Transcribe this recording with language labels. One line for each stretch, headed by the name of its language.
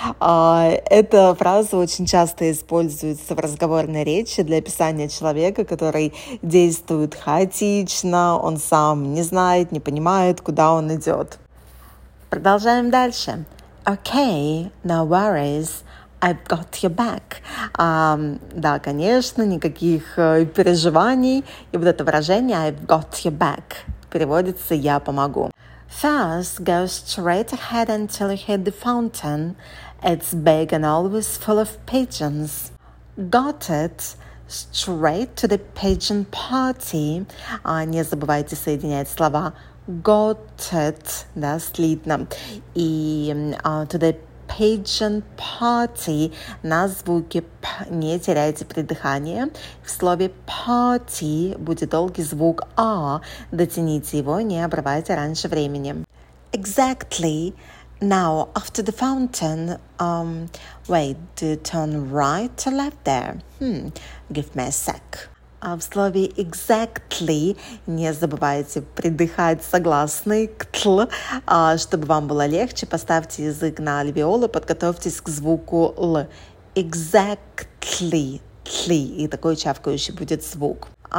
Russian: Эта фраза очень часто используется в разговорной речи для описания человека, который действует хаотично, он сам не знает, не понимает, куда он идет. Продолжаем дальше.
English: Okay, no worries, I've got your back.
Russian: Да, конечно, никаких переживаний. И вот это выражение
English: I've got your back
Russian: переводится «я помогу».
English: First, go straight ahead until you hit the fountain. It's big and always full of pigeons. Got it. Straight to the pigeon party.
Russian: Не забывайте соединять слова
English: got it,
Russian: да, слитно.
English: И to the pigeon party.
Russian: На звуке п не теряйте придыхание. В слове party будет долгий звук а. Дотяните его, не обрывайте раньше времени.
English: Exactly. Now, after the fountain, wait, do you turn right or left there? Give me a sec.
Russian: В слове exactly не забывайте придыхать согласный «ктл». Чтобы вам было легче, поставьте язык на альвеолы, подготовьтесь к звуку «л».
English: Exactly, «тли».
Russian: И такой чавкающий будет звук.